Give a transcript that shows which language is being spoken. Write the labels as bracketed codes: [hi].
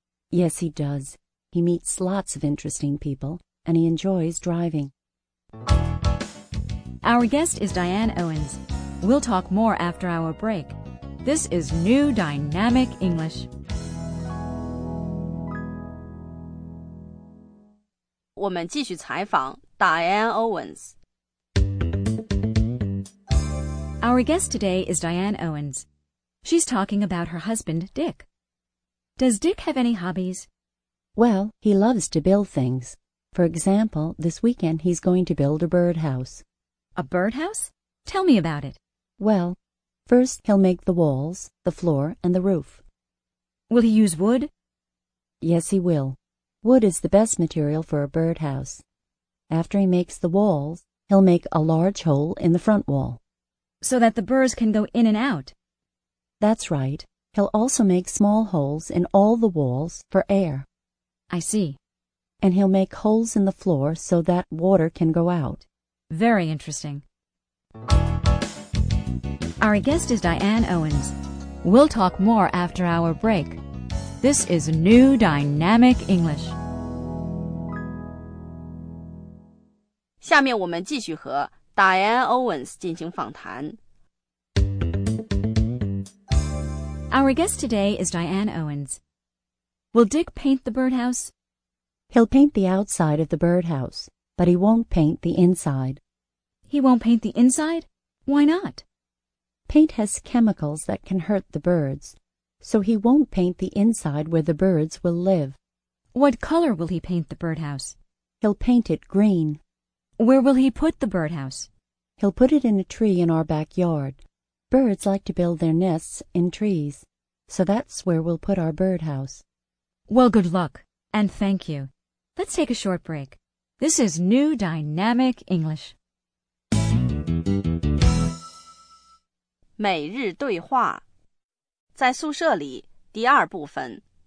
[en] Yes, he does. He meets lots of interesting people, and he enjoys driving. Our guest is Diane Owens. We'll talk more after our break. This is New Dynamic English. [zh] 我们继续采访 Diane Owens. [en] Our guest today is Diane Owens. She's talking about her husband, Dick. Does Dick have any hobbies? Well, he loves to build things. For example, this weekend he's going to build a birdhouse. A birdhouse? Tell me about it. Well... First, he'll make the walls, the floor, and the roof. Will he use wood? Yes, he will. Wood is the best material for a birdhouse. After he makes the walls, he'll make a large hole in the front wall. So that the birds can go in and out. That's right. He'll also make small holes in all the walls for air. I see. And he'll make holes in the floor so that water can go out. Very interesting. Our guest is Diane Owens. We'll talk more after our break. This is New Dynamic English. [zh] 下面我们继续和 Diane Owens 进行访谈。 [en] Our guest today is Diane Owens. Will Dick paint the birdhouse? He'll paint the outside of the birdhouse, but he won't paint the inside. He won't paint the inside? Why not? Paint has chemicals that can hurt the birds, so he won't paint the inside where the birds will live. What color will he paint the birdhouse? He'll paint it green. Where will he put the birdhouse? He'll put it in a tree in our backyard. Birds like to build their nests in trees, so that's where we'll put our birdhouse. Well, good luck, and thank you. Let's take a short break. This is New Dynamic English. [zh] 每日对话，在宿舍里，第二部分。